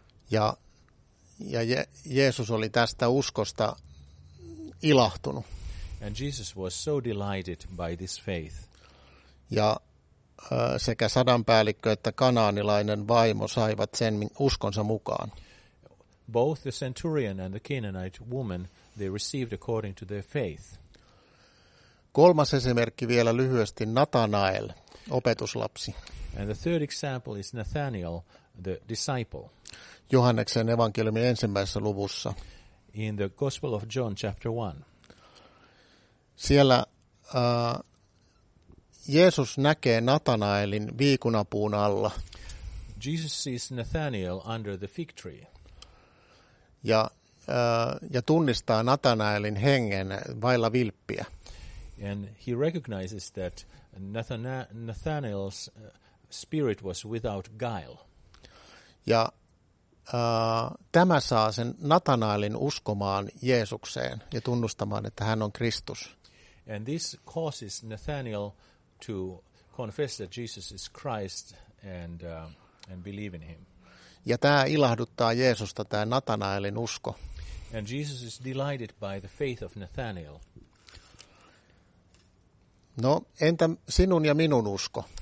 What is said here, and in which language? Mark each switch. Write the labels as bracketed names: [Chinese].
[Finnish] Ja Jeesus oli tästä uskosta ilahtunut. [English] And Jesus was so delighted by this faith. [Finnish] Ja sekä sadanpäällikkö että kanaanilainen vaimo saivat sen uskonsa mukaan. [English] Both the centurion and the Canaanite woman, they received according to their faith. [Finnish] 3. esimerkki vielä lyhyesti, Nathanael, opetuslapsi. [English] And the third example is Nathanael, the disciple. [Finnish] Johanneksen evankeliumin 1. luvussa. [English] In the Gospel of John, chapter 1. [Finnish] Siellä Jeesus näkee Nathanaelin viikunapuun alla. [English] Jesus sees Nathanael under the fig tree. [Finnish] Ja tunnistaa Nathanaelin hengen vailla vilppiä. [English] And he recognizes that Nathanael's spirit was without guile. [Finnish] Ja tämä saa sen Nathanaelin uskomaan Jeesukseen ja tunnustamaan, että hän on Kristus. [English] And this causes Nathanael to confess that Jesus is Christ and believe in him. [Finnish] Ja tämä ilahduttaa Jeesusta, tämä Nathanaelin usko. [English] And Jesus is delighted by the faith of Nathanael. [Finnish] No, entä sinun ja minun usko?